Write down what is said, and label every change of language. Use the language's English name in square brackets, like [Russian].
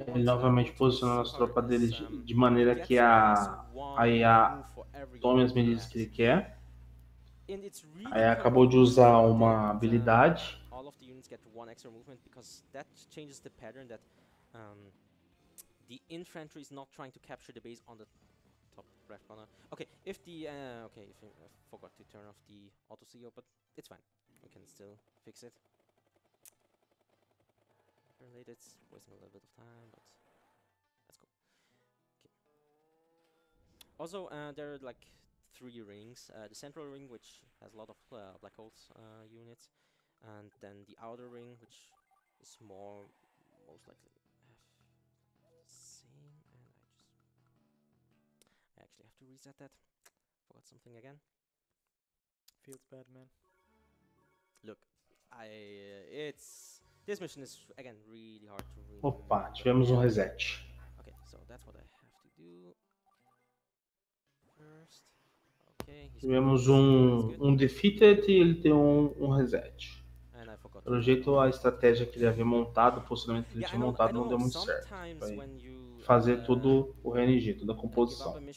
[Portuguese] ele novamente posiciona as tropas dele de maneira que a IA tome as medidas que ele quer. Aí acabou de usar uma habilidade. [English] All of the units get one extra movement because that changes the pattern that the infantry is not trying to capture the base on the top left corner. Okay, if the okay, if I forgot to turn off the auto CEO, but it's fine. We can still fix it. Related, it's wasting a little bit of time, but that's cool. Okay. Also, there are like three rings. The central ring, which has a lot of black holes units. And then the outer ring, which is more, most likely, same. And I just, I actually have to reset that. Forgot something again. Feels bad, man. Look, I, it's, this mission is, again, really hard to read. [Portuguese] Opa, tivemos um reset. [English] Okay, so that's what I have to do. First, okay. [Portuguese] Tivemos um defeated e ele tem um reset. Pelo jeito, a estratégia que ele havia montado, o posicionamento que ele tinha montado, não deu muito certo. Foi fazer tudo o RNG, toda a composição.